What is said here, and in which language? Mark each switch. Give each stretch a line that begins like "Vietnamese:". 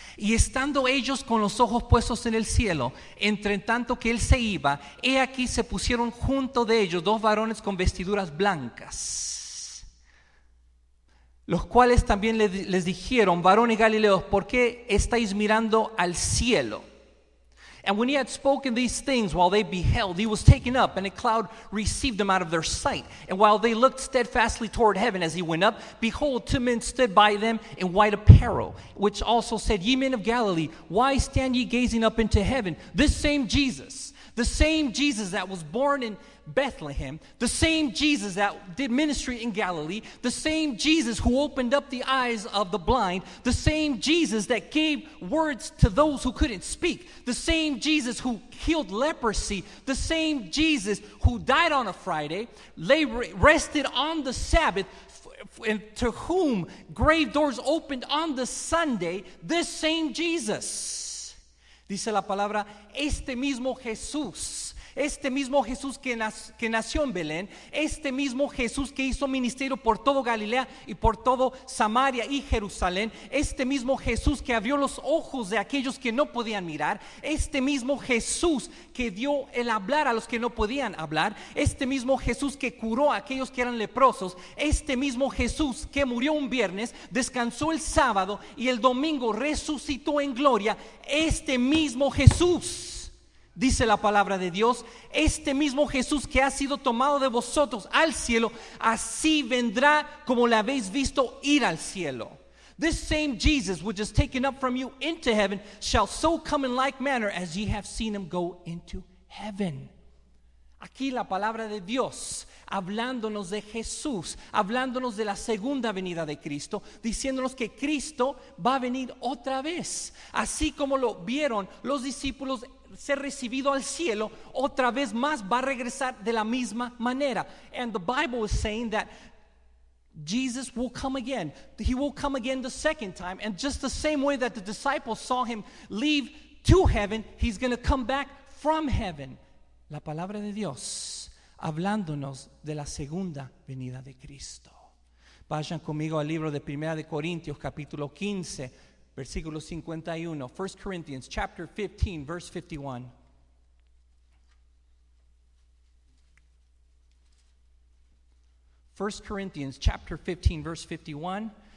Spanish: Y estando ellos con los ojos puestos en el cielo, entre tanto que él se iba, he aquí se pusieron junto de ellos dos varones con vestiduras blancas, los cuales también les dijeron: varones galileos, ¿por qué estáis mirando al cielo?
English: And when he had spoken these things, while they beheld, he was taken up, and a cloud received him out of their sight. And while they looked steadfastly toward heaven as he went up, behold, two men stood by them in white apparel, which also said, ye men of Galilee, why stand ye gazing up into heaven? The same Jesus that was born in Bethlehem, the same Jesus that did ministry in Galilee, the same Jesus who opened up the eyes of the blind, the same Jesus that gave words to those who couldn't speak, the same Jesus who healed leprosy, the same Jesus who died on a Friday, rested on the Sabbath, and to whom grave doors opened on the Sunday, this same Jesus.
Spanish: Dice la palabra, este mismo Jesús que nació en Belén, este mismo Jesús que hizo ministerio por todo Galilea y por todo Samaria y Jerusalén, este mismo Jesús que abrió los ojos de aquellos que no podían mirar, este mismo Jesús que dio el hablar a los que no podían hablar, este mismo Jesús que curó a aquellos que eran leprosos, este mismo Jesús que murió un viernes, descansó el sábado y el domingo resucitó en gloria, este mismo Jesús. Dice la palabra de Dios, este mismo Jesús que ha sido tomado de vosotros al cielo, así vendrá como le habéis visto ir al cielo.
English: This same Jesus, which is taken up from you into heaven, shall so come in like manner as ye have seen him go into heaven.
Spanish: Aquí la palabra de Dios, hablándonos de Jesús, hablándonos de la segunda venida de Cristo, diciéndonos que Cristo va a venir otra vez, así como lo vieron los discípulos ser recibido al cielo, otra vez más va a regresar de la misma manera.
English: And the Bible is saying that Jesus will come again. He will come again the second time. And just the same way that the disciples saw him leave to heaven, he's going to come back from heaven.
Spanish: La palabra de Dios hablándonos de la segunda venida de Cristo. Vayan conmigo al libro de Primera de Corintios, capítulo 15. Versículo 51,
English: 1 Corinthians chapter 15, verse 51. 1 Corinthians chapter 15, verse 51.